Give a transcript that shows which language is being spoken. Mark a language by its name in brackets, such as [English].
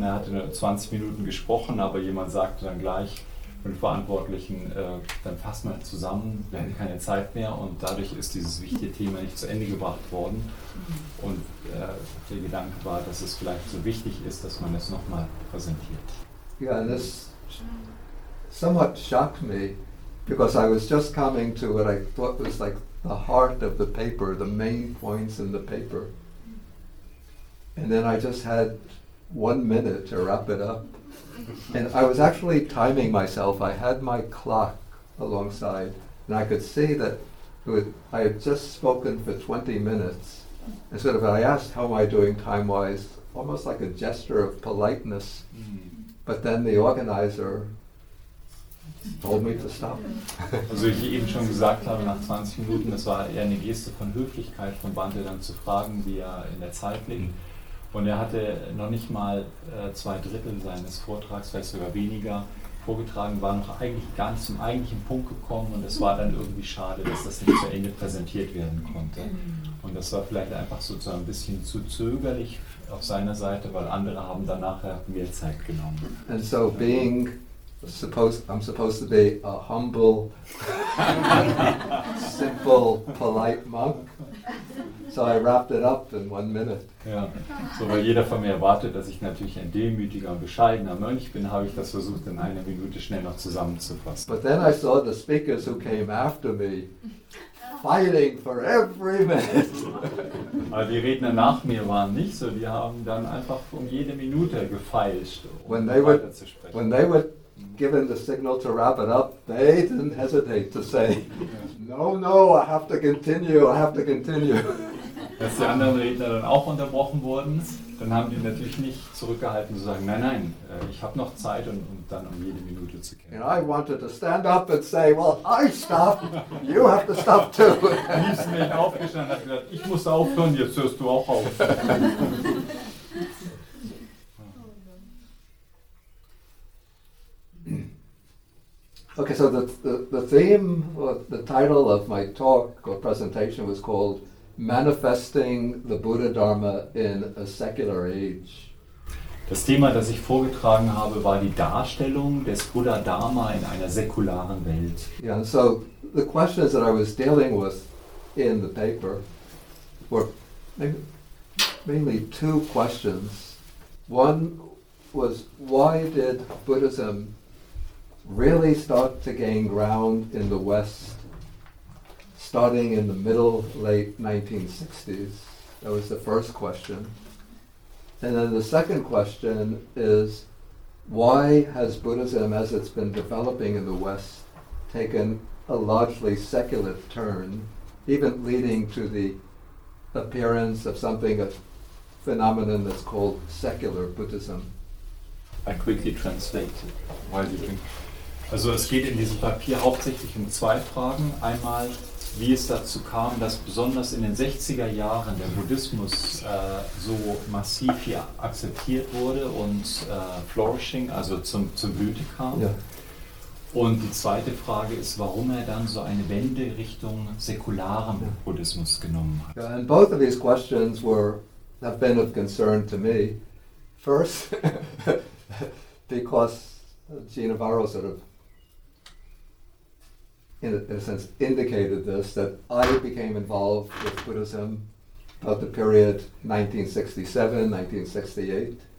[German] Und er hatte nur 20 Minuten gesprochen, aber jemand sagte dann gleich den Verantwortlichen, dann fasst mal zusammen, wir haben keine Zeit mehr. Und dadurch ist dieses wichtige Thema nicht zu Ende gebracht worden. Und der Gedanke war, dass es vielleicht so wichtig ist, dass man es nochmal präsentiert. [English] Ja, yeah, das somewhat shocked me, because I was just coming to what I thought was like the heart of the paper, the main points in the paper. And then I just had 1 minute to wrap it up. And I was actually timing myself. I had my clock alongside, and I could see that I had just spoken for 20 minutes. And sort of I asked, how am I doing time-wise? Almost like a gesture of politeness. But then the organizer told me to stop. [German] Also wie ich eben schon gesagt habe, nach 20 Minuten, das war eher eine Geste von Höflichkeit von Bante, dann zu fragen, wie er in der Zeit liegt. Und er hatte noch nicht mal zwei Drittel seines Vortrags, vielleicht sogar weniger, vorgetragen, war noch eigentlich gar nicht zum eigentlichen Punkt gekommen, und es war dann irgendwie schade, dass das nicht zu Ende präsentiert werden konnte. Und das war vielleicht einfach sozusagen ein bisschen zu zögerlich auf seiner Seite, weil andere haben danach mehr Zeit genommen. [English] And so being I'm supposed to be a humble, simple, polite monk. So I wrapped it up in 1 minute. [German] Ja, so weil jeder von mir erwartet, dass ich natürlich ein demütiger und bescheidener Mönch bin, habe ich das versucht in [English] 1 minute [German] schnell noch zusammenzufassen. [English] But then I saw the speakers who came after me fighting for every minute. [German] Aber die Redner nach mir waren nicht so, die haben dann einfach um jede Minute gefeilscht, um weiterzusprechen. [English] When they were given the signal to wrap it up, they didn't hesitate to say, no, no, I have to continue, I have to continue. [German] Als die anderen Redner dann auch unterbrochen wurden, dann haben die natürlich nicht zurückgehalten zu sagen, nein, nein, ich habe noch Zeit und dann um jede Minute zu kämpfen. [English] And I wanted to stand up and say, well, I stop, you have to stop too. [German] Dann ließ mich aufgestanden und gesagt, ich muss aufhören, jetzt hörst du auch auf. [English] Okay, so the theme or the title of my talk or presentation was called Manifesting the Buddha Dharma in a Secular Age. [German] Das Thema, das ich vorgetragen habe, war die Darstellung des Buddha Dharma in einer säkularen Welt. [English] Yeah, and so the questions that I was dealing with in the paper were mainly two questions. One was, why did Buddhism really start to gain ground in the West starting in the middle, late 1960s? That was the first question. And then the second question is, why has Buddhism, as it's been developing in the West, taken a largely secular turn, even leading to the appearance of something, a phenomenon that's called secular Buddhism? I quickly translate. Why do you think? [German] Also es geht in diesem Papier hauptsächlich um zwei Fragen. Einmal, wie es dazu kam, dass besonders in den 60er Jahren der Buddhismus so massiv hier akzeptiert wurde und [English] flourishing, [German] also zum Blüte kam. Ja. Und die zweite Frage ist, warum er dann so eine Wende Richtung säkularem Buddhismus genommen hat. [English] Yeah, and both of these questions have been of concern to me. First, because Gene Navarro sort of in a sense indicated this, that I became involved with Buddhism about the period 1967-1968.